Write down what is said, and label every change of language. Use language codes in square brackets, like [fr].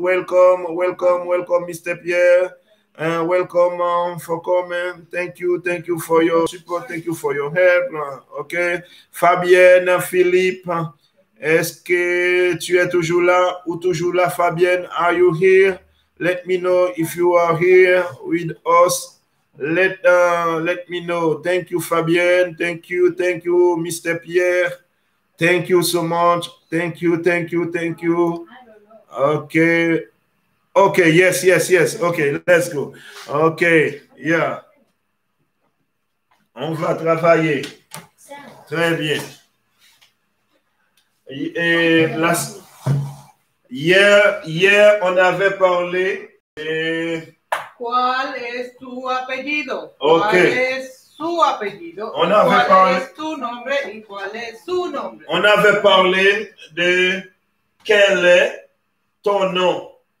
[en] Welcome, welcome, welcome, Mr. Pierre. Welcome for coming. Thank you for your support. Thank you for your help. Ok. [fr] Fabienne, Philippe, est-ce que tu es toujours là ou toujours là, Fabienne? [en] Are you here? Let me know if you are here with us. Let me know. Thank you, Fabienne. Thank you, Mr. Pierre. Thank you so much. Thank you, thank you, thank you. Okay. Okay, yes, yes, yes. Okay, let's go. Okay, yeah. [fr] On va travailler. Très bien. Et la... Hier, on avait parlé et... [es] ¿Cuál es tu apellido? Okay. ¿Cuál es su apellido? ¿Cuál es tu nombre y cuál es su nombre? [fr] On avait parlé de quel est ton nom.